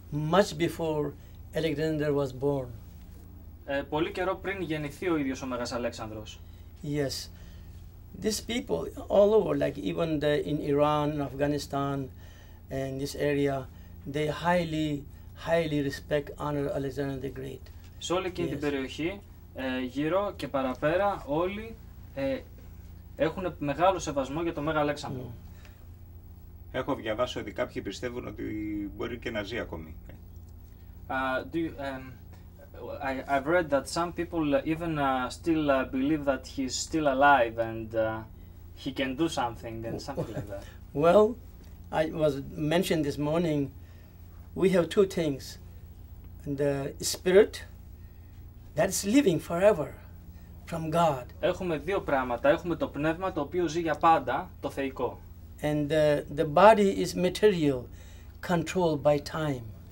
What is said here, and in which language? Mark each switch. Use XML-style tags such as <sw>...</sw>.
<en>Much before Alexander was born.</en> <el>Πολύ καιρό πριν γεννηθεί ο ίδιος ο Μεγάλος Αλέξανδρος.</el> <en>Yes. These people all over, like even in Iran, Afghanistan, and this area, they highly, highly respect, honor Alexander the Great.</en> <el>Σε όλη εκείνη την περιοχή, γύρω και παραπέρα, όλοι έχουν μεγάλο σεβασμό για τον Μεγάλο Αλέξανδρο. Έχω διαβάσει ότι κάποιοι πιστεύουν ότι μπορεί και να ζει ακόμη.</el> <en>Do you, I've read that some people even still believe that he's still alive and he can do something and something like that. Well, I was mentioned this morning, we have two things. The spirit that's living forever from God.</en> <el>Έχουμε δύο πράγματα. Έχουμε το πνεύμα το οποίο ζει για πάντα, το θεϊκό.</el> <en>And the body is material, controlled by time.</en>